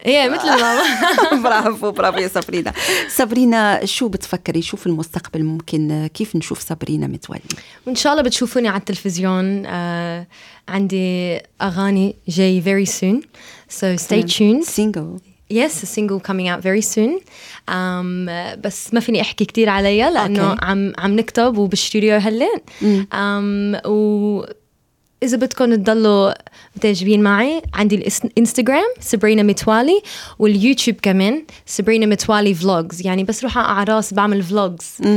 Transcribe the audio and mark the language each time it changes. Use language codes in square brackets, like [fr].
[ar] ايه مثل ماما برافو برافو يا سابرينا. سابرينا شو بتفكري شو في المستقبل ممكن كيف نشوف سابرينا متولي؟ وان شاء الله بتشوفوني على التلفزيون عندي اغاني جاي [en] very soon so stay tuned single Yes, a single coming out very soon. [ar] بس ما فيني أحكي كتير عليها لأنه okay. عم نكتب وبالستوديو هلين. وإذا بتكون تضلوا متابعين معي عندي الإنستغرام سابرينا متوالي واليوتيوب كمان سابرينا متوالي فلوجز يعني بس روح أعراس بعمل فلوجز.